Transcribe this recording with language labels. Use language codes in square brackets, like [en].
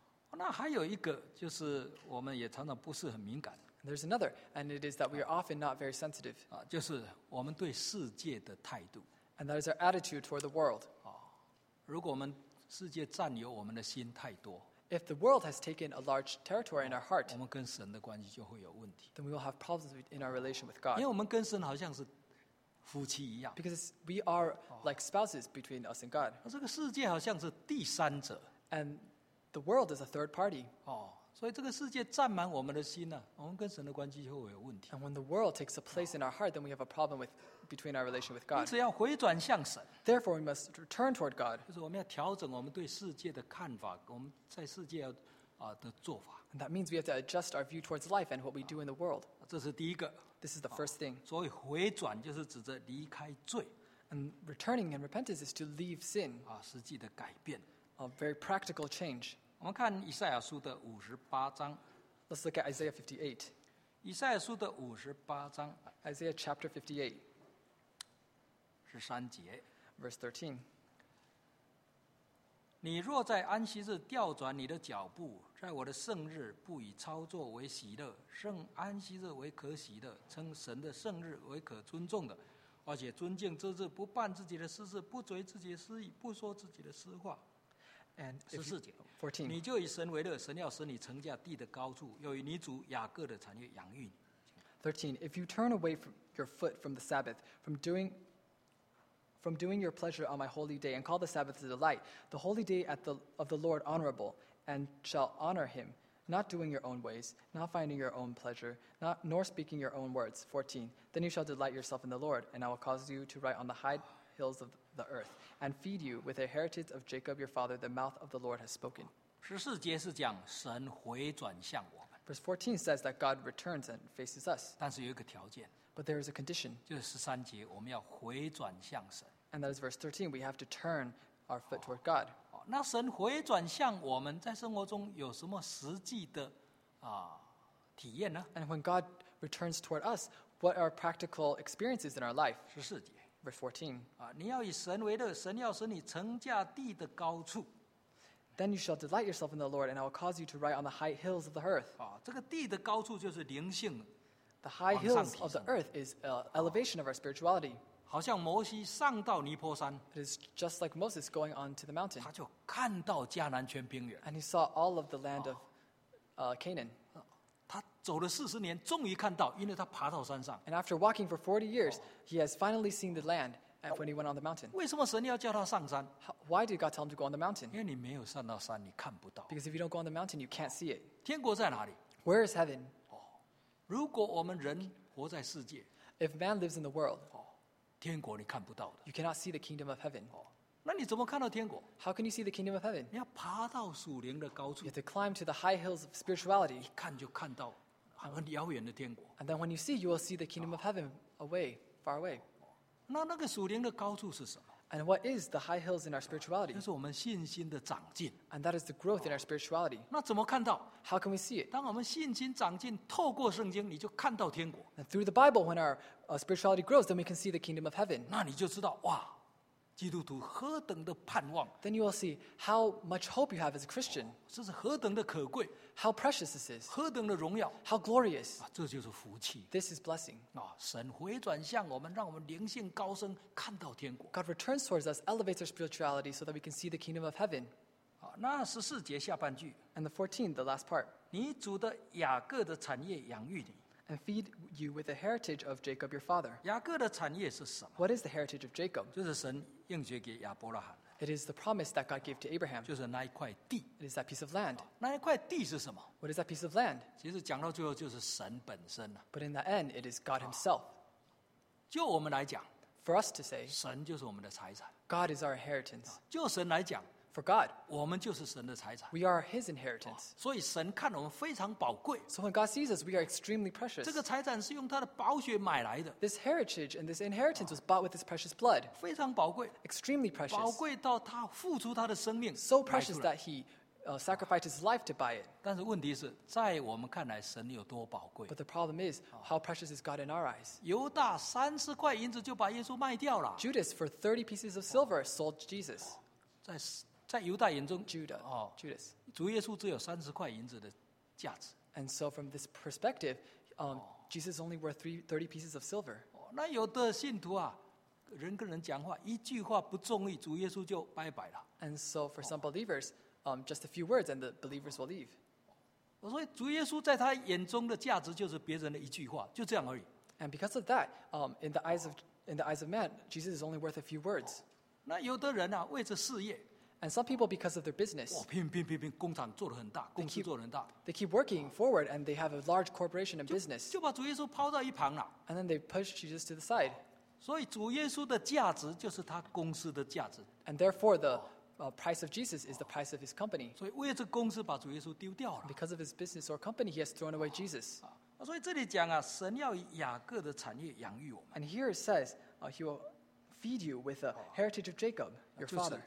[zh] 那还有一个就是我们也常常不是很敏感。 [en] There's another, and it is that we are often not very sensitive. [zh] 就是我们对世界的态度。 [en] And that is our attitude toward the world. [zh] 如果我们世界占有我们的心太多。 [en] If the world has taken a large territory in our heart, [zh] 我们跟神的关系就会有问题。 [en] Then we will have problems in our relation with God. [zh] 因为我们跟神好像是夫妻一样。 [en] Because we are like spouses between us and God. [zh] 这个世界好像是第三者。 [en] And the world is a third party. [zh] 哦，所以这个世界占满我们的心呢，我们跟神的关系就会有问题。 [en] And when the world takes a place in our heart, then we have a problem with between our relation with God. [zh] 因此要回转向神。 [en] Therefore, we must return toward God. [zh] 就是我们要调整我们对世界的看法，我们在世界要。 [en] And that means we have to adjust our view towards life and what we do in the world. [zh] 这是第一个。 [en] This is the first thing. [zh] 所以回转就是指着离开罪。 [en] And returning and repentance is to leave sin. [zh] 实际的改变。 [en] A very practical change. [zh] 我们看以赛亚书的五十八章。 [en] Let's look at Isaiah 58. [zh] 以赛亚书的五十八章。 [en] Isaiah chapter 58. [zh] 十三节。 [en] Verse 13. [zh] 你若在安息日调转你的脚步，在我的圣日不以操作为喜乐，圣安息日为可喜的，称神的圣日为可尊重的，而且尊敬之日，不办自己的私事，不随自己的私意，不说自己的私话。 [en] And [zh] 14节 [en] 14. [zh] 你就以神为乐，神要使你成家地的高处，又以你主雅各的产业养育你。 [en] 13. If you turn away from your foot from the Sabbath, from doing your pleasure on my holy day and call the Sabbath a delight, the holy day of the Lord honorable, and shall honor him, not doing your own ways, not finding your own pleasure, nor speaking your own words. 14. Then you shall delight yourself in the Lord, and I will cause you to ride on the high hills of the earth, and feed you with the heritage of Jacob your father, the mouth of the Lord has spoken. [zh] 14节是讲神回转向我们。 [en] Verse 14 says that God returns and faces us. [zh] 但是有一个条件。 [en] But there is a condition. [zh] 就是13节我们要回转向神。 [en] And that is verse 13. We have to turn our foot toward God. [zh] 那神回转向我们在生活中有什么实际的体验呢？ [en] And when God returns toward us, what are practical experiences in our life? [zh] 14节。 [en] Verse 14. [zh] 你要以神为乐，神要使你成家地的高处。 [en] Then you shall delight yourself in the Lord, and I will cause you to ride on the high hills of the earth. [zh] 这个地的高处就是灵性。 [en] The high hills of the earth is elevation of our spirituality. [zh] 好像摩西上到尼坡山。 [en] It is just like Moses going on to the mountain. [zh] 他就看到迦南全平原。 [en] And he saw all of the land of Canaan. [zh] 他走了40年，终于看到，因为他爬到山上。 [en] And after walking for 40 years, he has finally seen the land when he went on the mountain. [zh] 为什么神要叫他上山？ [en] Why did God tell him to go on the mountain? [zh] 因为你没有上到山，你看不到。 [en] Because if you don't go on the mountain, you can't see it. [zh] 天国在哪里？ [en] Where is heaven? [zh] 如果我们人活在世界， [en] If man lives in the world, [zh] 天国你看不到的。 [en] You cannot see the kingdom of heaven. [zh] 那你怎么看到天国？ [en] How can you see the kingdom of heaven? [zh] 你要爬到属灵的高处。 [en] You have to climb to the high hills of spirituality. [zh] 一看就看到很遥远的天国。 [en] And then when you see, you will see the kingdom of heaven away, far away. [zh] 那个属灵的高处是什么？ [en] And what is the high hills in our spirituality? [zh] 就是我们信心的长进。 [en] And that is the growth in our spirituality. [zh] 那怎么看到？ [en] How can we see it? [zh] 当我们信心长进，透过圣经，你就看到天国。 [en] And through the Bible, when our spirituality grows, then we can see the kingdom of heaven. [zh] 那你就知道，哇，基督徒何等的盼望。 [en] Then you will see how much hope you have as a Christian. [zh] 这是何等的可贵。 [en] How precious this is. [zh] 何等的荣耀。 [en] How glorious. [zh] 这就是福气。 [en] This is blessing. [zh] 神回转向我们，让我们灵性高升，看到天国。 [en] God returns towards us, elevates our spirituality so that we can see the kingdom of heaven. [zh] 那14节下半句。 [en] And the 14, the last part. [zh] 你主的雅各的产业养育你。 [en] And feed you with the heritage of Jacob your father. [zh] 雅各的产业是什么？ [en] What is the heritage of Jacob? [zh] 就是神应许给亚伯拉罕。 [en] It is the promise that God gave to Abraham. [zh] 就是那一块地。 [en] It is that piece of land. [zh] 那一块地是什么？ [en] What is that piece of land? [zh] 其实讲到最后就是神本身。 [en] But in the end, it is God himself. [zh] 就我们来讲， [en] For us to say, [zh] 神就是我们的财产。 [en] God is our inheritance. [zh] 就神来讲， [en] For God, [zh] 我们就是神的财产。 [en] We are his inheritance. [zh] 所以神看我们非常宝贵。 [en] So when God sees us, we are extremely precious. [zh] 这个财产是用他的宝血买来的。 [en] This heritage and this inheritance was bought with his precious blood. [zh] 非常宝贵。 [en] Extremely precious. [zh] 宝贵到他付出他的生命。 [en] So precious that he sacrificed his life to buy it. [zh] 但是问题是，在我们看来，神有多宝贵。 [en] But the problem is, how precious is God in our eyes? [zh] 犹大30块银子就把耶稣卖掉了。 [en] Judas, for 30 pieces of silver, sold Jesus. [zh] 在犹大眼中， [en] Judas, [zh] 主耶稣只有30块银子的价值。 [en] And so from this perspective, Jesus only worth 30 pieces of silver. [zh] 那有的信徒啊，人跟人讲话，一句话不中意，主耶稣就拜拜了。 [en] And so for some believers, just a few words and the believers will leave. [zh] 所以主耶稣在他眼中的价值就是别人的一句话，就这样而已。 [en] And because of that, in the eyes of man, Jesus is only worth a few words. [zh] 那有的人啊, 为着事业, [en] and some people, because of their business, [zh] 哇,拼,拼,拼, 工厂做得很大, [en] they keep working forward and they have a large corporation and business. [zh] 就把主耶稣抛到一旁了, [en] and then they push Jesus to the side. [zh] 所以主耶稣的价值就是他公司的价值, [en] and therefore, the price of Jesus is the price of his company. [zh] 所以为这公司把主耶稣丢掉了, [en] because of his business or company, he has thrown away Jesus. [zh] 所以这里讲啊, 神要以雅各的产业养育我们, [en] and here it says, he will feed you with the heritage of Jacob, your father.